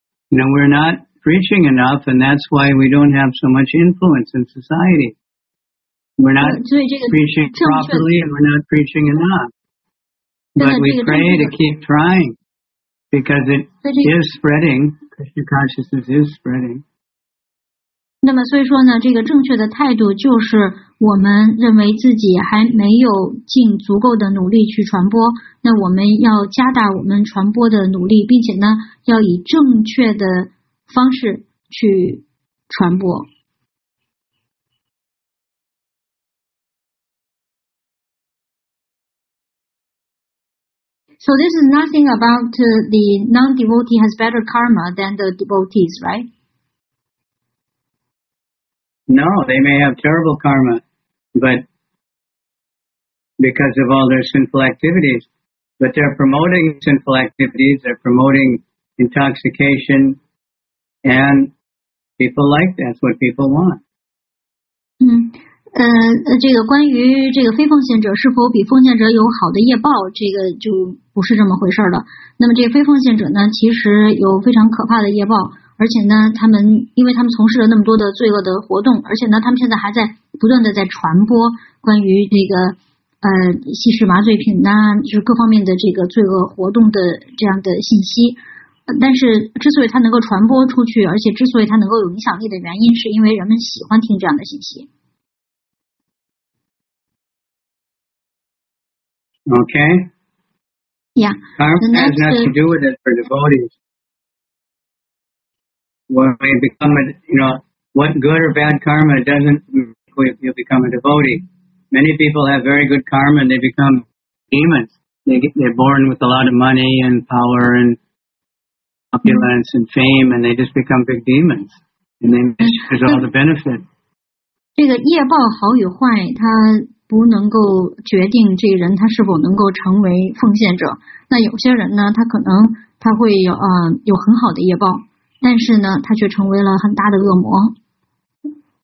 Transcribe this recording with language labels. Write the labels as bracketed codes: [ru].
[en] You know, we're not preaching enough, and that's why we don't have so much influence in society. We're not preaching properly, and we're not preaching enough. But we pray to keep trying, because it is spreading. Krishna consciousness is spreading. [zh] 那么所以说呢，这个正确的态度就是我们认为自己还没有尽足够的努力去传播，那我们要加大我们传播的努力，并且呢要以正确的方式去传播。 [en] So this is nothing about the non-devotee has better karma than the devotees, right? No, they may have terrible karma, but because of all their sinful activities. But they're promoting sinful activities, they're promoting intoxication, and people like that's what people want. [zh] 这个关于这个非奉献者是否比奉献者有好的业报，这个就不是这么回事的。那么这个非奉献者呢，其实有非常可怕的业报，而且呢，他们因为他们从事了那么多的罪恶的活动，而且呢，他们现在还在不断的在传播关于这个吸食麻醉品呐，就是各方面的这个罪恶活动的这样的信息。但是之所以它能够传播出去，而且之所以它能够有影响力的原因，是因为人们喜欢听这样的信息。 [en] Okay. Yeah. Karma has nothing to do with it for devotees. When we become a, you know, what good or bad karma doesn't make you become a devotee. Many people have very good karma and they become demons. They're born with a lot of money and power and opulence and fame and they just become big demons. And they miss all the benefit. [zh] 这个业报好与坏，它不能够决定这人他是否能够成为奉献者。那有些人呢，他可能他会有很好的业报，但是呢，他却成为了很大的恶魔。